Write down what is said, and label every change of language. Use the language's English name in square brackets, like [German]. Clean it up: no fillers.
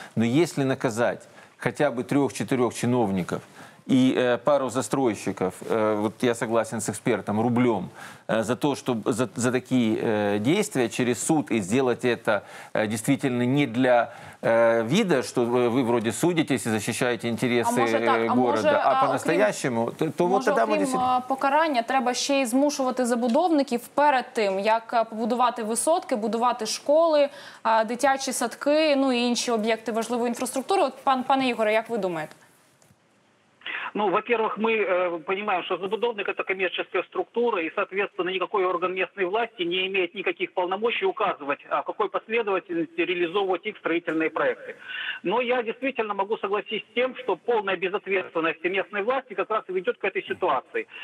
[Russian] Но если наказать хотя бы 3-4 чиновников и пару застройщиков, вот я согласен с экспертом, рублем, за то, чтобы за такие действия через суд и сделать это действительно не для вида, что вы вроде судитесь и защищаете интересы города, по-настоящему, [Ukrainian] покарання, треба ще й змушувати забудовників перед тим, як побудувати висотки, будувати школи, дитячі садки, ну і інші об'єкти важливої інфраструктури. От, пане Ігоре, як ви думаєте? [Russian] Ну, во-первых, мы понимаем, что забудовник – это коммерческая структура, и, соответственно, никакой орган местной власти не имеет никаких полномочий указывать, в какой последовательности реализовывать их строительные проекты. Но я действительно могу согласиться с тем, что полная безответственность местной власти как раз и ведет к этой ситуации.